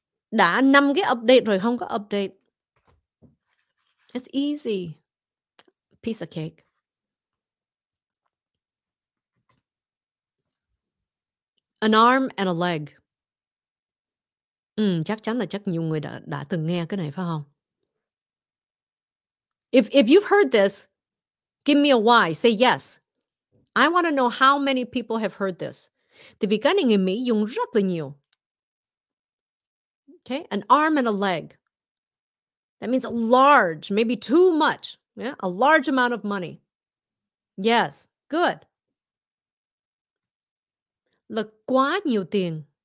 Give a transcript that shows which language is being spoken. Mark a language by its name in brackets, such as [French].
[Vietnamese] Đã 5 cái update rồi không có update. [English] It's easy. Piece of cake. An arm and a leg. [Vietnamese] Chắc chắn là chắc nhiều người đã từng nghe cái này phải không? [English] If you've heard this, give me a why. Say yes. I want to know how many people have heard this. [Vietnamese] Thì vì cái này người Mỹ dùng rất là nhiều. [English] Okay, an arm and a leg. That means a large, maybe too much. Yeah, a large amount of money. Yes, good. [Vietnamese] Là quá nhiều tiền.